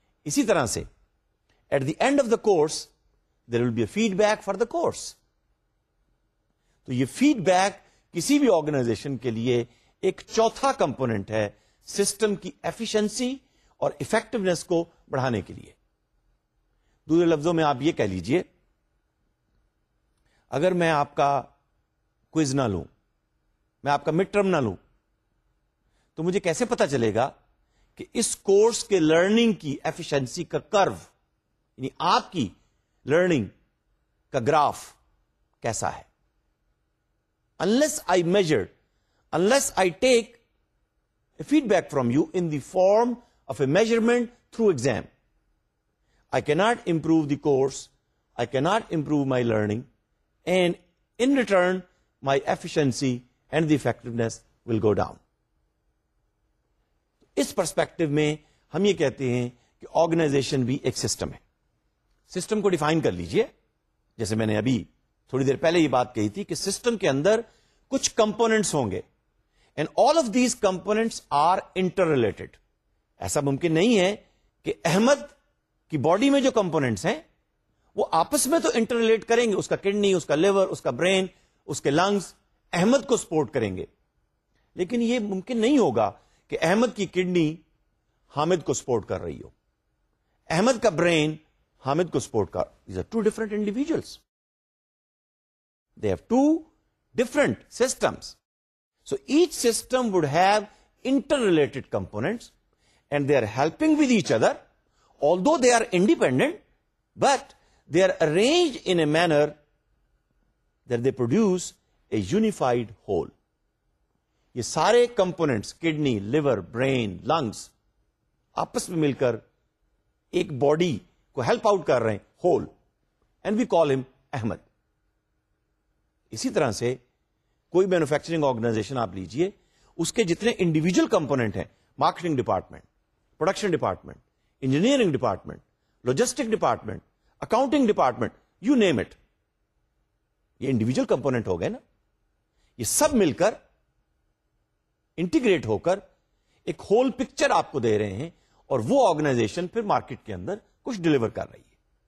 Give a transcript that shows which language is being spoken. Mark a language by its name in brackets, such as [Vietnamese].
[Urdu] اسی طرح سے [English] At the end of the course there will be a feedback for the course. [Urdu] تو یہ فیڈ بیک کسی بھی آرگنائزیشن کے لیے ایک چوتھا کمپوننٹ ہے سسٹم کی ایفیشنسی اور افیکٹونیس کو بڑھانے کے لیے. دوسرے لفظوں میں آپ یہ کہہ لیجئے، اگر میں آپ کا کوئز نہ لوں، میں آپ کا مڈ ٹرم نہ لوں، تو مجھے کیسے پتا چلے گا کہ اس کورس کے لرننگ کی ایفیشنسی کا کرو، یعنی آپ کی لرننگ کا گراف کیسا ہے؟ [English] Unless I measure, unless I take feedback from you in the form of a measurement through exam, I cannot improve the course, I cannot improve my learning, and in return, my efficiency and the effectiveness will go down. [Urdu] اس perspective میں ہم یہ کہتے ہیں کہ organization بھی ایک system ہے. System کو ڈیفائن کر لیجئے, جیسے میں نے ابھی تھوڑی دیر پہلے یہ بات کہی تھی کہ سسٹم کے اندر کچھ کمپوننٹس ہوں گے, [English] And all of these components are interrelated. [Urdu] ایسا ممکن نہیں ہے کہ احمد کی باڈی میں جو کمپوننٹس ہیں وہ آپس میں تو انٹر ریلیٹ کریں گے, اس کا کڈنی, اس کا لیور, اس کا برین, اس کے لنگس احمد کو سپورٹ کریں گے, لیکن یہ ممکن نہیں ہوگا کہ احمد کی کڈنی حامد کو سپورٹ کر رہی ہو, احمد کا برین حامد کو سپورٹ کر. [English] These are two different individuals, they have two different systems. So each system would have interrelated components and they are helping with each other, although they are independent, but they are arrange in a manner that they produce a unified whole. [Urdu] یہ سارے components, kidney, liver, brain, lungs, آپس میں مل کر ایک body کو help out کر رہے ہیں, ہول, [English] And we call him Ahmed. [Urdu] اسی طرح سے کوئی مینوفیکچرنگ آرگنائزیشن آپ لیجئے, اس کے جتنے انڈیویجل کمپوننٹ ہیں, marketing department, production department, engineering department, logistic department, accounting department, [English] you name it, [Urdu] یہ انڈیویجل کمپوننٹ ہو گئے نا, یہ سب مل کر انٹیگریٹ ہو کر ایک ہول پکچر آپ کو دے رہے ہیں, اور وہ آرگنائزیشن پھر مارکیٹ کے اندر کچھ ڈلیور کر رہی ہے.